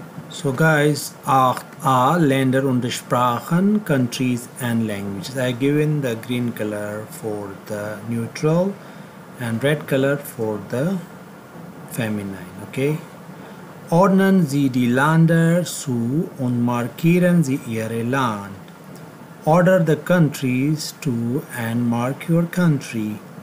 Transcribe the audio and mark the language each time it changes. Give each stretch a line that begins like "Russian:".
English: So guys, 8a,
German: Länder und Sprachen,
English: countries and languages. I give in the green color for the neutral and red color for the feminine, okay.
German: Ordnen Sie die Länder zu und markieren Sie Ihre Land.
English: Order the countries to and mark your country.